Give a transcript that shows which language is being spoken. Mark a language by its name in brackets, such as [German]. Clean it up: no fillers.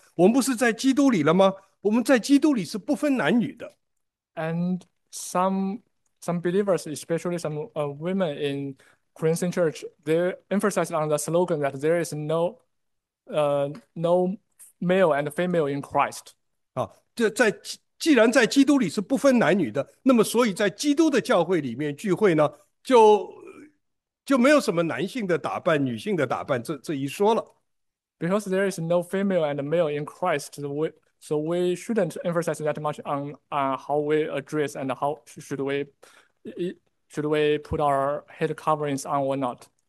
[Chinese] 我们不是在基督里了吗？我们在基督里是不分男女的。 [English] And some believers, especially some women in Corinthian Church, they emphasized on the slogan that there is no male and female in Christ. [Chinese] 既然在基督里是不分男女的，那么所以在基督的教会里面聚会呢，就没有什么男性的打扮、女性的打扮这一说了。 [English] Because there is no female and male in Christ, so we shouldn't emphasize that much on how we address and how should we put our head coverings on or not?